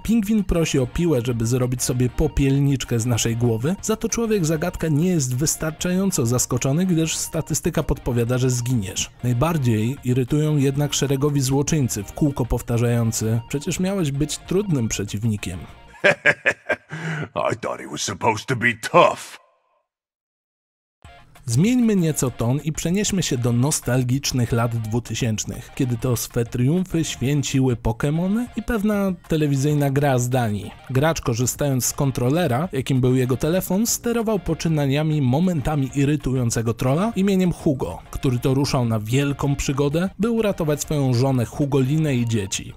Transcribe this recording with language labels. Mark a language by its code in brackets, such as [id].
[pl] Pingwin prosi o piłę, żeby zrobić sobie popielniczkę z naszej głowy, za to człowiek zagadka nie jest wystarczająco zaskoczony, gdyż statystyka podpowiada, że zginiesz. Najbardziej irytują jednak szeregowi złoczyńcy w kółko powtarzający: przecież miałeś być trudnym przeciwnikiem. [en] I thought he was supposed to be tough. [pl] Zmieńmy nieco ton i przenieśmy się do nostalgicznych lat 2000, kiedy to swe triumfy święciły Pokémony i pewna telewizyjna gra z Danii. Gracz, korzystając z kontrolera, jakim był jego telefon, sterował poczynaniami momentami irytującego trolla imieniem Hugo, który to ruszał na wielką przygodę, by uratować swoją żonę Hugolinę i dzieci.